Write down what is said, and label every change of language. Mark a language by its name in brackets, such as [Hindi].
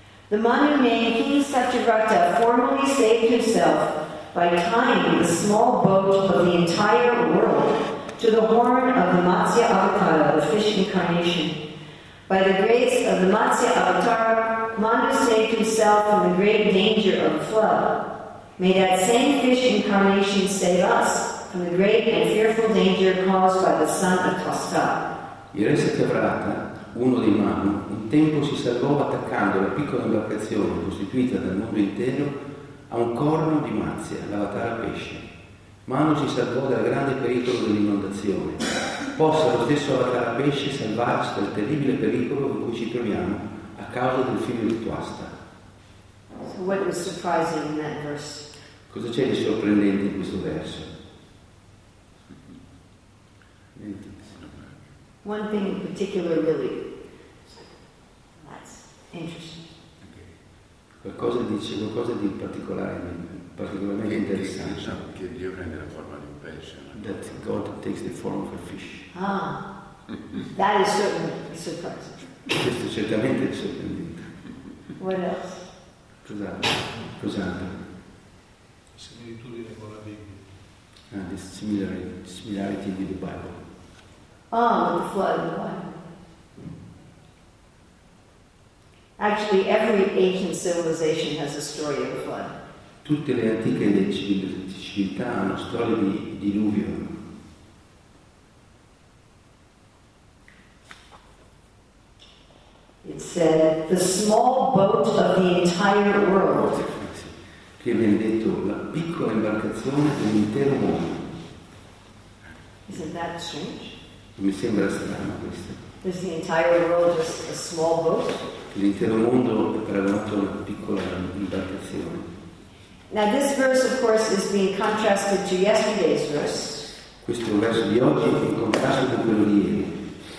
[English] The Manu named King Satyavrata formally saved himself by tying the small boat of the entire world to the horn of the Matsya Avatara, the fish incarnation. By the grace of the Matsya Avatara, Manu saved himself from the great danger of flood. May that same fish incarnation save us from the great and fearful danger caused by the son of Tosca. Yes, Satyavrata. [Italian] Uno dei Manu, un tempo si salvò attaccando la piccola imbarcazione costituita dal mondo intero a un corno di Matsya, l'avatara pesce. Manu si salvò dal grande pericolo dell'inondazione. Possa lo stesso avatara pesce salvarsi dal terribile pericolo in cui ci troviamo a causa del figlio di Twastra. [English] So what was surprising in that verse? [Italian] Cosa c'è di sorprendente in questo verso? [English] One thing in particular really, that's interesting. [Italian] Qualcosa dice qualcosa di particolarmente interessante. Che Dio prende la forma di un pesce. [English] That God takes the form of a fish. Ah, that is certainly surprising. [Italian] Questo certamente è sorprendente. [English] What else? [Italian] Cos'altro? Similitudine con la Bibbia. [English] Ah, the similarity with the Bible. Oh, the flood of the Bible. Actually, every ancient civilization has a story of a flood. [Italian] Tutte le antiche civiltà hanno storie di diluvio. [English] It said, the small boat of the entire world. [Italian] Che viene detto, la piccola imbarcazione dell'intero mondo. [English] Isn't that strange? [Italian] Mi sembra strano questo. [English] Is the entire world just a small boat? [Italian] L'intero mondo è paragonato a una piccola imbarcazione. [English] Now this verse, of course, is being contrasted to yesterday's verse. [Italian] Questo verso di oggi è in contrasto con quello di ieri.